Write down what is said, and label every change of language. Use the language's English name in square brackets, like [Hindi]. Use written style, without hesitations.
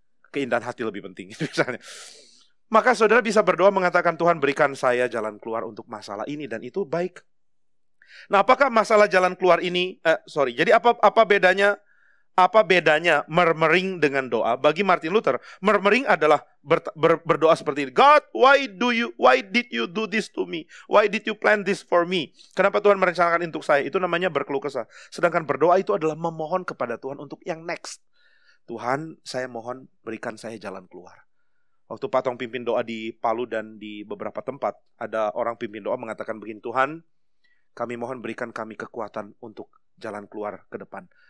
[Indonesian] Keindahan hati lebih penting gitu, misalnya. Maka saudara bisa berdoa mengatakan, Tuhan, berikan saya jalan keluar untuk masalah ini. Dan itu baik. Nah, apakah masalah jalan keluar ini, jadi apa bedanya apa bedanya murmuring dengan doa? Bagi Martin Luther, murmuring adalah berdoa seperti ini. [English] God, why did you do this to me? Why did you plan this for me? [Indonesian] Kenapa Tuhan merencanakan untuk saya? Itu namanya berkeluh kesah. Sedangkan berdoa itu adalah memohon kepada Tuhan untuk yang next. Tuhan, saya mohon berikan saya jalan keluar. Waktu Pak Tong pimpin doa di Palu dan di beberapa tempat, ada orang pimpin doa mengatakan begini, Tuhan, kami mohon berikan kami kekuatan untuk jalan keluar ke depan.